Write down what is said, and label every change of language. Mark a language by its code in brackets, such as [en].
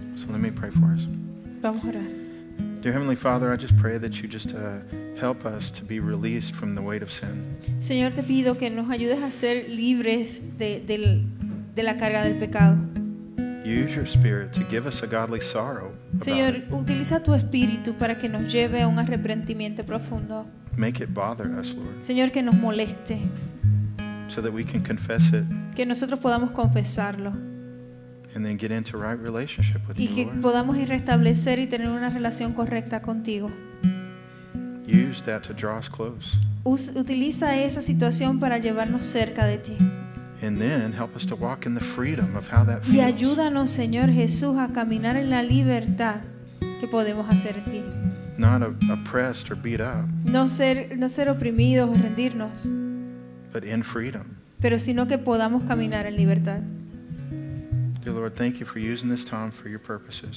[en] Let me pray for us. [es] Vamos a orar. [en] Dear Heavenly Father, I just pray that you just help us to be released from the weight of sin. [es] Señor, te pido que nos ayudes a ser libres de la carga del pecado. [en] Use your spirit to give us a godly sorrow. [es] Señor, utiliza tu espíritu para que nos lleve a un arrepentimiento profundo. [en] Make it bother us, Lord. [es] Señor, que nos moleste. [en] So that we can confess it. [es] Que nosotros podamos confesarlo. [en] And then get into right relationship with you, Lord. [es] Y que podamos ir restablecer y tener una relación correcta contigo. [en] Use that to draw us close. [es] Utiliza esa situación para llevarnos cerca de ti. [en] And then help us to walk in the freedom of how that feels. [es] Y ayúdanos, Señor Jesús, a caminar en la libertad que podemos hacer en ti. [en] Not oppressed or beat up. [es] No ser oprimidos o rendirnos. [en] But in freedom. [es] Pero sino que podamos caminar en libertad. [en] Dear Lord, thank you for using this time for your purposes.